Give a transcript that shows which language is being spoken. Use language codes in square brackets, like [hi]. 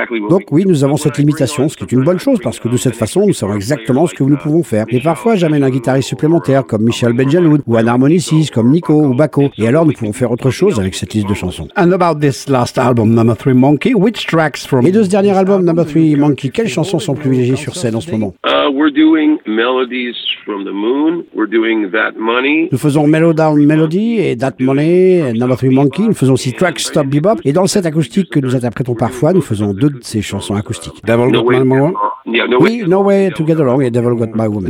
[fr] Donc oui, nous avons cette limitation, ce qui est une bonne chose, parce que de cette façon, nous savons exactement ce que nous pouvons faire. Mais parfois, j'amène un guitariste supplémentaire, comme Michel Benjaloud, ou un harmoniciste, comme Nico ou Baco, et alors nous pouvons faire autre chose avec cette liste de chansons. [en] And about this last album, Number 3 Monkey, which tracks from... [fr] Et de ce dernier album, Number 3 Monkey, quelles chansons sont privilégiées sur scène en ce moment? [en] We're doing melodies from the moon, we're doing That Money. [fr] Nous faisons Mellow Down Melody et That Money, Number 3 Monkey, nous faisons aussi Track Stop Bebop, et dans cette acoustique que nous interprétons parfois, nous faisons deux de ces chansons acoustiques. [en] Devil Got My Woman. [fr] Oui, No Way To Get Along et Devil Got My Woman.